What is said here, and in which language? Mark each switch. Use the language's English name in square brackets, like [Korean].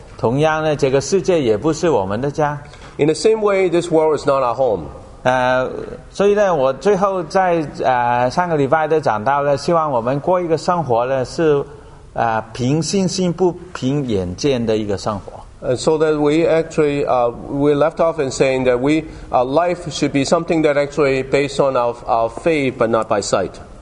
[Chinese] 同样的，这个世界也不是我们的家。 [English] In the same way, this world is not our home. [Chinese] 所以呢，我最后在上个礼拜都讲到了，希望我们过一个生活呢是凭信心不凭眼见的一个生活。 [English] So that we actually we left off in saying that we our life should be something that actually based on our faith but not by sight.